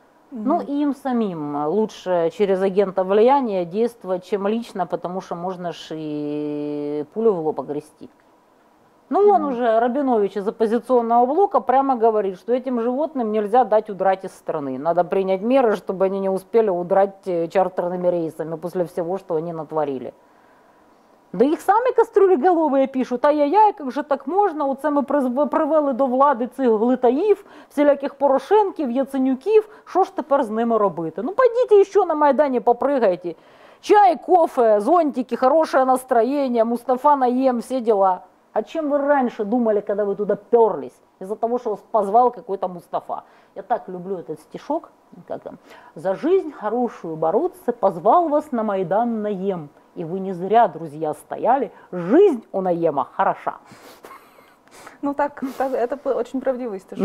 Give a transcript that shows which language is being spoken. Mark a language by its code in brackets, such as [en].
[ru] Ну, и им самим лучше через агента влияния действовать, чем лично, потому что можно ж и пулю в лоб огрести. Ну, он уже, Рабинович из оппозиционного блока, прямо говорит, что этим животным нельзя дать удрать из страны. Надо принять меры, чтобы они не успели удрать чартерными рейсами после всего, что они натворили. Да их сами кастрюлеголовые пишут, ай-яй-яй, как же так можно, [uk] оце ми привели до влади цих глитаїв, всіляких Порошенків, Яценюків, що ж тепер з ними робити? Ну, пойдіть ще на Майдані попригайте, чай, кофе, зонтики, хороше настроєння, Мустафа наєм, всі діла. А чим ви раніше думали, коли ви туди перлись? [ru] Из-за того, что вас позвал какой-то Мустафа. Я так люблю этот стишок. Как там? «За жизнь хорошую бороться, позвал вас на Майдан наем. И вы не зря, друзья, стояли. Жизнь у наема хороша». Ну так, так это очень правдивый стишок.